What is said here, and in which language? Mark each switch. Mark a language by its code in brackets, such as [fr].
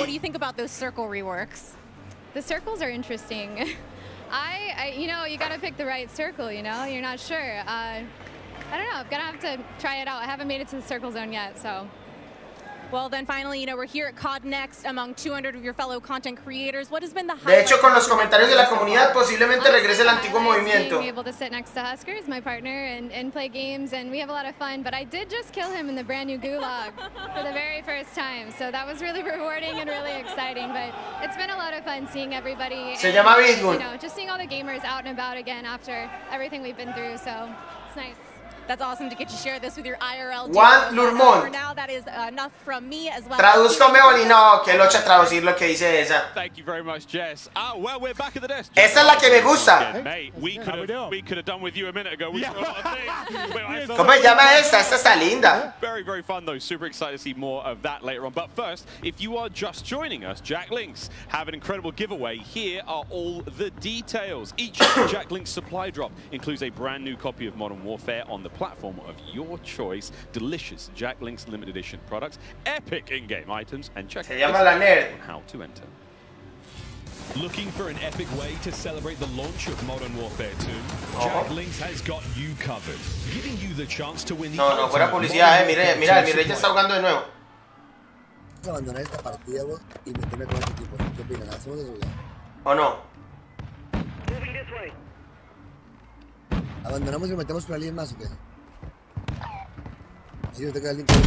[en] What do you think about those circle reworks? The circles are interesting. You gotta pick the right circle, you know? You're not sure. I don't know, I'm gonna have to try it out. I haven't made it to the circle zone yet, so. Well, then finally, you know, we're here at COD Next among 200 of your fellow content creators. What has been the [es] highlight? De hecho, con los comentarios de la comunidad, posiblemente regrese el antiguo movimiento. [en] Being able to sit next to Husker, my partner, and play games, and we have a lot of fun. But I did just kill him in the brand new Gulag for the very first time. So that was really rewarding and really exciting. But it's been a lot of fun seeing everybody. [es] Se llama Bitmon. [en] You know, just seeing all the gamers out and about again after everything we've been through. So it's nice. That's awesome to get you share this with your IRL. [es] Juan Lurmón. [en] For now, that is enough from me as well. [es] Traduzcome, Oli. No, que lo eche a traducir lo que dice esa. [en] Thank you very much, Jess. Ah, well, we're back at the desk. [es] Esa es la que me gusta. [en] We could have done with you a minute ago. [es] ¿Cómo se llama esa? Esa está linda. [en] Very, very fun, though. Super excited to see more of that later on. But first, if you are just joining us, Jack Links have an incredible giveaway. Here are all the details. Each Jack Links supply drop includes a brand new copy of Modern Warfare on the platform of your choice, delicious Jack Link's limited edition products, epic in-game items, and check out how to enter. Looking for an epic way to celebrate the launch of Modern Warfare 2? Uh-huh. Jack Link's has got you covered, giving you the chance to win the [es] No, fuera policía, mira, mi rey ya está jugando de nuevo. Vamos a abandonar esta partida, vos, y meterme con este tipo. ¿Qué opinas? ¿Hacemos de seguridad? ¿O no? ¿Abandonamos y metemos por alguien más o qué? Si no te queda alguien.